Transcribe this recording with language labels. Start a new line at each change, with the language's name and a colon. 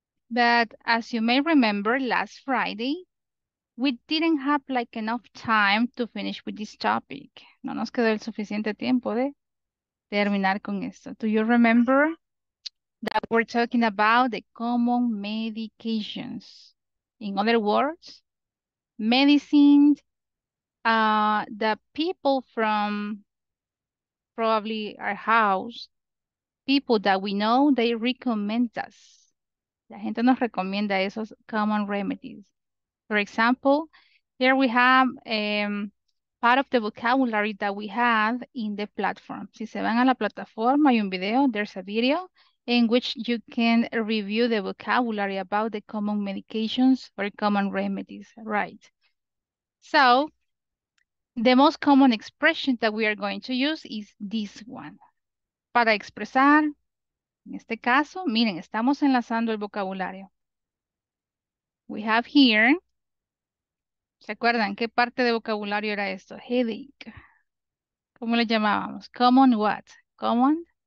English: But as you may remember, last Friday, we didn't have like enough time to finish with this topic.
Spanish: No nos quedó el suficiente tiempo de terminar con esto.
English: Do you remember that we're talking about the common medications? In other words, medicines that people from probably our house, people that we know, they recommend us.
Spanish: La gente nos recomienda esos
English: common remedies. For example, here we have part of the vocabulary that we have in the platform.
Spanish: Si se van a la plataforma, hay un video,
English: there's a video in which you can review the vocabulary about the common medications or common remedies, right? So, the most common expression that we are going to use is this one.
Spanish: Para expresar, en este caso, miren, estamos enlazando el vocabulario.
English: We have here,
Spanish: ¿se acuerdan qué parte de vocabulario era esto?
English: Headache.
Spanish: ¿Cómo le llamábamos?
English: Common what? Common.